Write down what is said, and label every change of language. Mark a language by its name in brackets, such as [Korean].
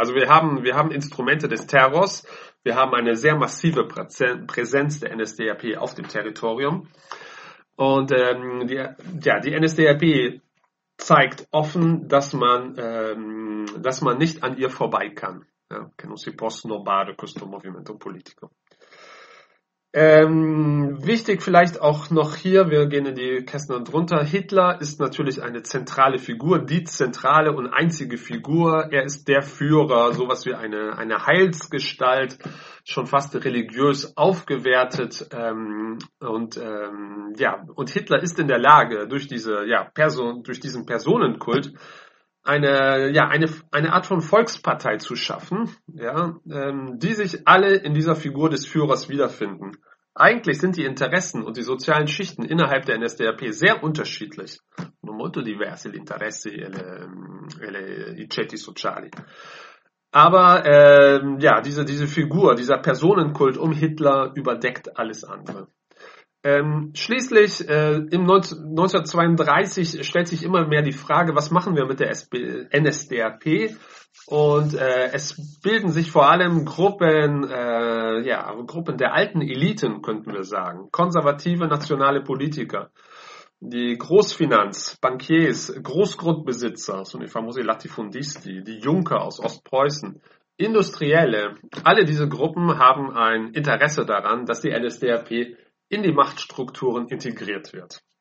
[German] Also wir haben Instrumente des Terrors, wir haben eine sehr massive Präsenz der NSDAP auf dem Territorium. Und die NSDAP zeigt offen, dass man nicht an ihr vorbei kann. [Italian] Ja, que non si può snobbare questo movimento politico. [German] Wichtig vielleicht auch noch hier, wir gehen in die Kästner drunter. Hitler ist natürlich eine zentrale Figur, die zentrale und einzige Figur. Er ist der Führer, sowas wie eine Heilsgestalt, schon fast religiös aufgewertet. Und Hitler ist in der Lage, durch diesen Personenkult eine Art von Volkspartei zu schaffen, ja, die sich alle in dieser Figur des Führers wiederfinden. Eigentlich sind die Interessen und die sozialen Schichten innerhalb der NSDAP sehr unterschiedlich. [Italian] Molto diverse gli interessi e i ceti sociali. [German] Aber diese Figur, dieser Personenkult um Hitler überdeckt alles andere. Schließlich im 1932 stellt sich immer mehr die Frage, was machen wir mit der NSDAP? Und es bilden sich vor allem Gruppen der alten Eliten, könnten wir sagen, konservative nationale Politiker, die Großfinanz, Bankiers, Großgrundbesitzer, so die [Italian] famosi Latifundisti, [German] die Junker aus Ostpreußen, Industrielle, alle diese Gruppen haben ein Interesse daran, dass die NSDAP in die Machtstrukturen integriert wird.